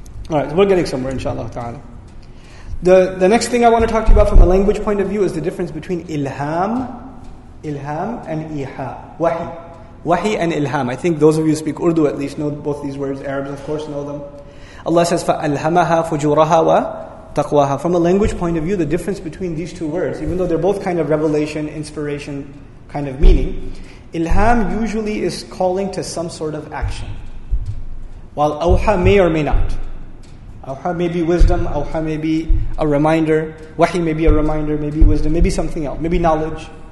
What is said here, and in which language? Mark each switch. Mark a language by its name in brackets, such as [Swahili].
[English] Alright, so we're getting somewhere, inshaAllah ta'ala. The next thing I want to talk to you about from a language point of view is the difference between ilham and iha, wahi. Wahi and ilham. I think those of you who speak Urdu at least know both these words. Arabs, of course, know them. Allah says, [Arabic] فَأَلْهَمَهَا فُجُورَهَا وَتَقْوَهَا. [English] From a language point of view, the difference between these two words, even though they're both kind of revelation, inspiration, kind of meaning, ilham usually is calling to some sort of action. While awha may or may not. Awha may be wisdom, awha may be a reminder, wahi may be a reminder, maybe wisdom, maybe something else, maybe knowledge.